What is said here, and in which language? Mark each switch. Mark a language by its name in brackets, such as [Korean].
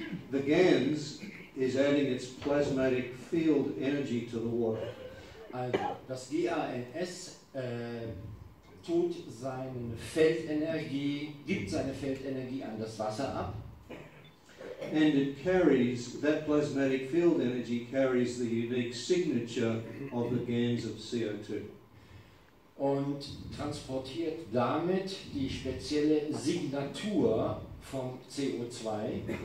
[English] The GANS is adding its plasmatic field energy to the water. [German] Also, das GANS tut seine Feldenergie, gibt seine Feldenergie an das Wasser ab. [English] And it carries, that plasmatic field energy carries the unique signature of the GANS of CO2. [German] Und transportiert damit die spezielle Signatur vom CO2.